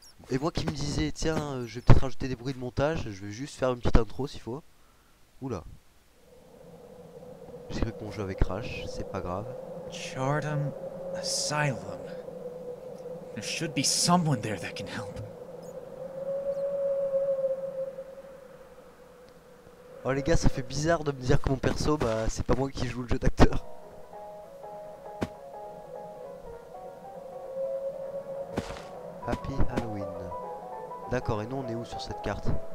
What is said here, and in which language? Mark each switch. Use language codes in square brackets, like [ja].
[fr] Et moi qui me disais, tiens, je vais peut-être rajouter des bruits de montage, je vais juste faire une petite intro s'il faut. Oula. J'ai cru que mon jeu avait crash, c'est pas grave. [en] Chartham Asylum. There should be someone there that can help. [fr] Oh les gars, ça fait bizarre de me dire que mon perso, bah c'est pas moi qui joue le jeu d'acteur. [en] Happy Halloween. [fr] D'accord, et nous on est où sur cette carte?